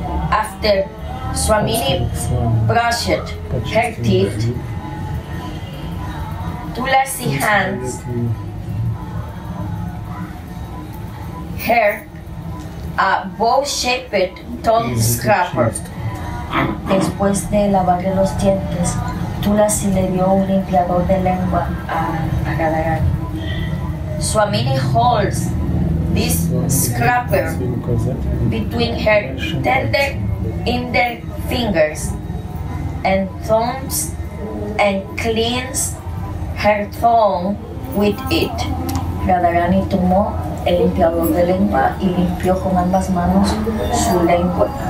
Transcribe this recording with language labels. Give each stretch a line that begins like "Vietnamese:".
English: After Swamini brushed her teeth, Tulasi hands her a bow-shaped tongue scraper.
Spanish: Después de lavarle los dientes, Tulasi le dio un limpiador de lengua a Radharani.
English: Swamini holds this scraper between her tender inner fingers and thumbs and cleans her tongue with it.
Spanish: Radharani tomó el limpiador de lengua y limpió con ambas manos su lengua.